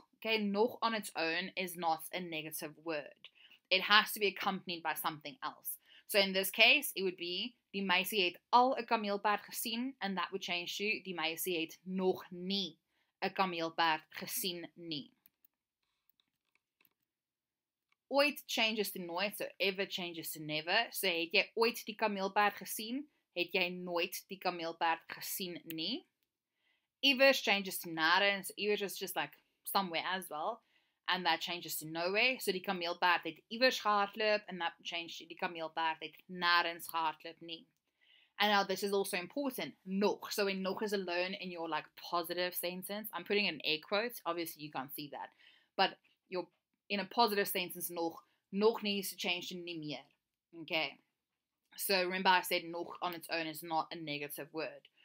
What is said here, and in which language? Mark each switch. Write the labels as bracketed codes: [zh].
[en] Okay, nog on its own is not a negative word. It has to be accompanied by something else. So in this case, it would be [af] die meisie het al 'n kameelperd gesien, [en] and that would change to [af] die meisie het nog nie 'n kameelperd gesien nie. [en] Ooit changes to nooit, so ever changes to never. So [af] het jy ooit die kameelperd gesien? Het jy nooit die kameelperd gesien nie? [en] Iewers changes to nêrens, so iewers is just like somewhere as well. And that changes to nowhere. So [af] die kameelperd het iewers gehardloop, [en] and that changed to [af] die kameelperd het nêrens gehardloop nie. [en] And now this is also important, nog. So when nog is alone in your like positive sentence, I'm putting in air quotes, obviously you can't see that. But you're in a positive sentence, nog needs to change to nie meer. Okay. So remember I said nog on its own is not a negative word.